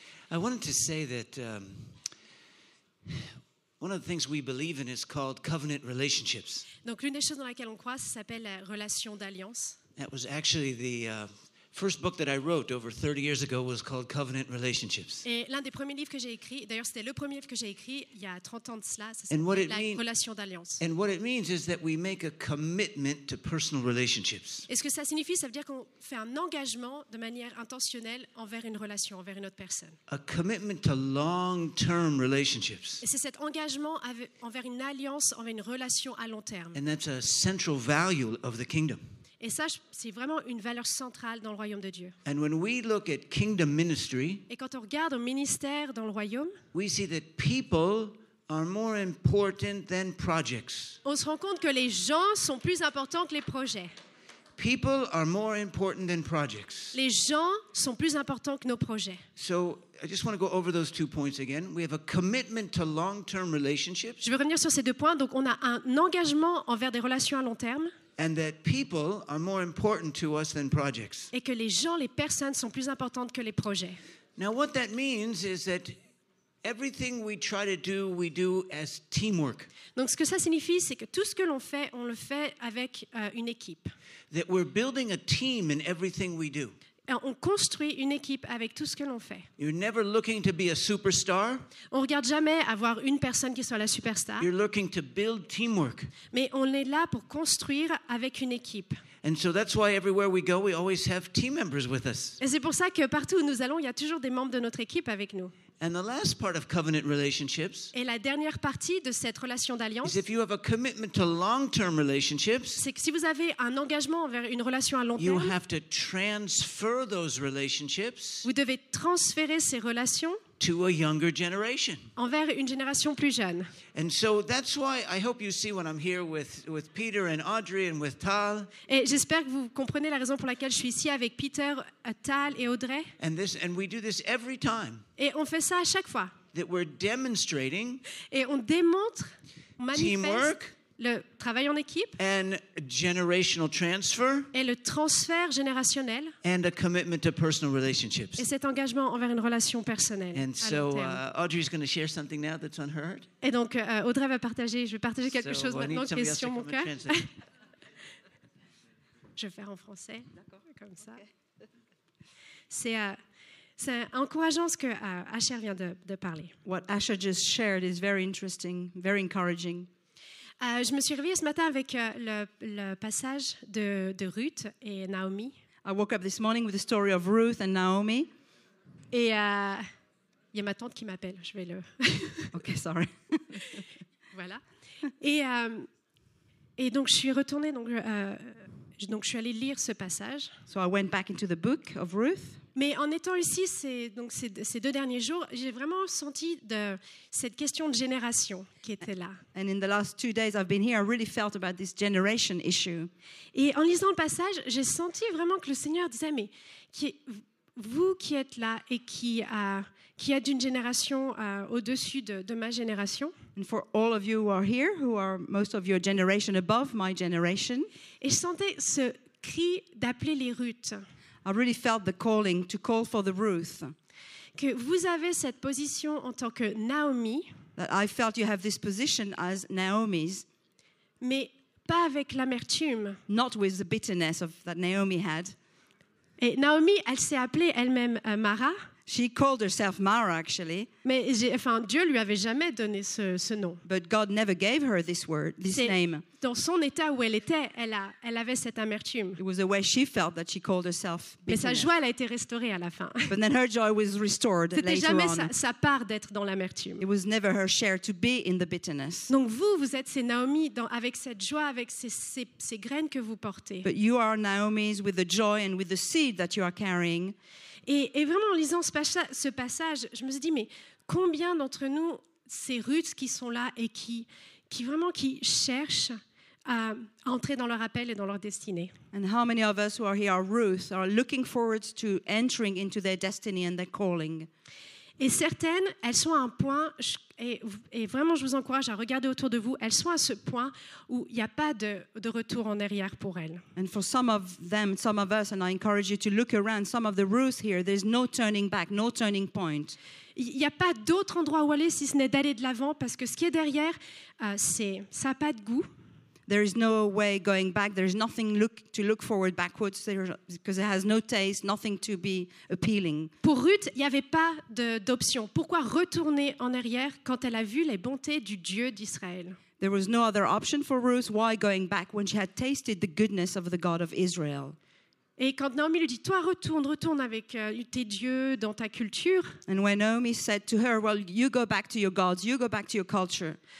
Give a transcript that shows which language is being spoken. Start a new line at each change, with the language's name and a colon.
English: I wanted to say that one of the things we believe in is called covenant relationships.
French: Donc l'une des choses dans laquelle on croit s'appelle la relation d'alliance.
English: That was actually the first book that I wrote over 30 years ago was called Covenant Relationships.
French: Et l'un des premiers livres que j'ai écrit, d'ailleurs c'était le premier livre que j'ai écrit il y a 30 ans de cela, ça s'appelait La Relation d'Alliance.
English: And what it means is that we make a commitment to personal relationships.
French: Et ce que ça signifie, ça veut dire qu'on fait un engagement de manière intentionnelle envers une relation, envers une autre personne.
English: A commitment to long-term relationships.
French: Et c'est cet engagement envers une alliance, envers une relation à long terme.
English: And that's a central value of the kingdom.
French: Et ça, c'est vraiment une valeur centrale dans le royaume de Dieu.
English: And when we look at kingdom ministry,
French: et quand on regarde au ministère dans le royaume,
English: we see that people are more important than projects.
French: On se rend compte que les gens sont plus importants que les projets.
English: People are more important than projects.
French: Les gens sont plus importants que nos projets.
English: So, I just want to go over those two points again. We have a commitment to long-term relationships.
French: Je veux revenir sur ces deux points. Donc, on a un engagement envers des relations à long terme.
English: And that people are more important to us than projects.
French: Et que les gens, les personnes sont plus importantes que les projets.
English: Now what that means is that everything we do as teamwork.
French: Donc ce que ça signifie, c'est que tout ce que l'on fait, on le fait avec une équipe.
English: That we're building a team in everything we do.
French: On construit une équipe avec tout ce que l'on fait.
English: You're never looking to be a superstar.
French: On regarde jamais avoir une personne qui soit la superstar.
English: You're looking to build teamwork.
French: Mais on est là pour construire avec une équipe.
English: And so that's why everywhere we go, we always have team members with us.
French: Et c'est pour ça que partout où nous allons, il y a toujours des membres de notre équipe avec nous.
English: And the last part of covenant relationships.
French: Et la dernière partie de cette relation d'alliance.
English: Is if you have a commitment to long-term relationships.
French: C'est que si vous avez un engagement envers une relation à long terme.
English: You have to transfer those relationships.
French: Vous devez transférer ces relations.
English: To a younger generation.
French: Envers une génération plus jeune.
English: And so that's why I hope you see when I'm here with Peter and Audrey and with Tal.
French: Et j'espère que vous comprenez la raison pour laquelle je suis ici avec Peter, Tal et Audrey.
English: And we do this every time.
French: Et on fait ça à chaque fois.
English: That we're demonstrating.
French: Et on démontre, on manifeste
English: teamwork,
French: le travail en équipe.
English: And generational transfer.
French: Et le transfert générationnel.
English: And a commitment to personal relationships.
French: Et cet engagement envers une relation personnelle.
English: And so Audrey's going to share something now that's on her heart.
French: Et donc Audrey va partager, je vais partager quelque
English: so
French: chose
English: we'll
French: maintenant qui est sur mon cœur. Je vais faire en français. D'accord, comme ça. Okay. C'est encourageant ce que Asher vient de parler.
English: What Asher just shared is very interesting, very encouraging.
French: Je me suis réveillée ce matin avec le passage de Ruth et Naomi.
English: I woke up this morning with the story of Ruth and Naomi.
French: Et il y a ma tante qui m'appelle, je vais le...
English: Ok, sorry.
French: Voilà. Et donc je suis retournée, donc je suis allée lire ce passage.
English: So I went back into the book of Ruth.
French: Mais en étant ici ces deux derniers jours, j'ai vraiment senti cette question de génération qui était là.
English: And in the last two days I've been here, I really felt about this generation issue.
French: Et en lisant le passage, j'ai senti vraiment que le Seigneur disait, mais vous qui êtes là et qui êtes d'une génération au-dessus de ma génération.
English: And for all of you who are here, who are most of your generation above my generation.
French: Et je sentais ce cri d'appeler les Ruths.
English: I really felt the calling to call for the Ruth.
French: Que vous avez cette position en tant que Naomi.
English: That I felt you have this position as Naomi's.
French: Mais pas avec l'amertume.
English: Not with the bitterness of that Naomi had.
French: Et Naomi, elle s'est appelée elle-même Mara.
English: She called herself Mara, actually.
French: Mais Dieu lui avait jamais donné ce nom.
English: But God never gave her this word, this
French: C'est
English: name.
French: Dans son état où elle était, elle avait cette amertume.
English: It was the way she felt that she called herself bitterness.
French: Mais sa joie, elle a été restaurée à la fin.
English: But then her joy was restored
French: C'était
English: later
French: jamais
English: on.
French: Sa part d'être dans l'amertume.
English: It was never her share to be in the bitterness.
French: Donc vous êtes ces Naomi avec cette joie, avec ces graines que vous portez.
English: But you are Naomi's with the joy and with the seed that you are carrying.
French: Et vraiment, en lisant ce passage, je me suis dit, mais combien d'entre nous, ces Ruths qui sont là et qui vraiment qui cherchent entrer dans leur appel et dans leur destinée.
English: And how many of us who are here are Ruth are looking forward to entering into their destiny and their calling?
French: Et certaines, elles sont à un point, et vraiment je vous encourage à regarder autour de vous, elles sont à ce point où il n'y a pas de retour en arrière pour elles.
English: And for some of them, some of us, and I encourage you to look around, some of the Ruth here, there's no turning back, no turning point.
French: Il n'y a pas d'autre endroit où aller si ce n'est d'aller de l'avant, parce que ce qui est derrière, c'est, ça n'a pas de goût.
English: There is no way going back, there is nothing to look forward backwards because it has no taste, nothing to be appealing.
French: Pour Ruth, il n'y avait pas d'option. Pourquoi retourner en arrière quand elle a vu les bontés du Dieu d'Israël?
English: There was no other option for Ruth, why going back when she had tasted the goodness of the God of Israel?
French: Et quand Naomi lui dit, toi retourne avec tes dieux dans ta culture.
English: And when Naomi said to her, well, you go back to your gods, you go back to your culture.